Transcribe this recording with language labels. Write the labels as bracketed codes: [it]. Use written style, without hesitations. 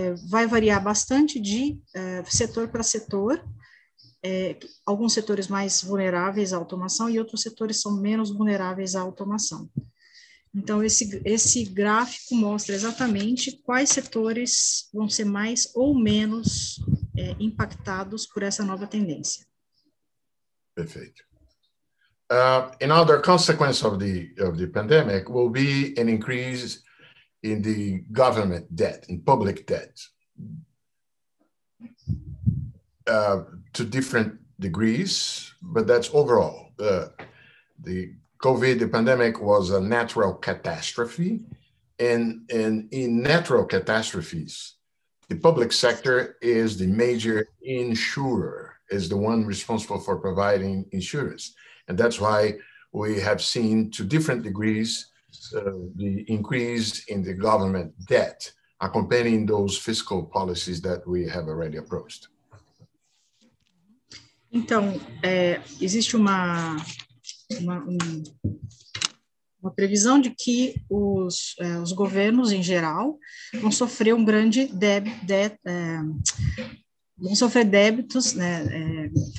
[pt] Vai variar bastante de setor para setor, alguns setores mais vulneráveis à automação e outros setores são menos vulneráveis à automação. Então, esse gráfico mostra exatamente quais setores vão ser mais ou menos impactados por essa nova tendência. Perfeito. [en] Another consequence of the pandemic will be an increase in the government debt, in public debt, to different degrees, but that's overall. The COVID, the pandemic, was a natural catastrophe, and in natural catastrophes, the public sector is the major insurer, is the one responsible for providing insurance. And that's why we have seen to different degrees the increase in the government debt accompanying those fiscal policies that we have already approached. [pt] Então, existe uma previsão de que os governos em geral vão sofrer um grande débitos, né?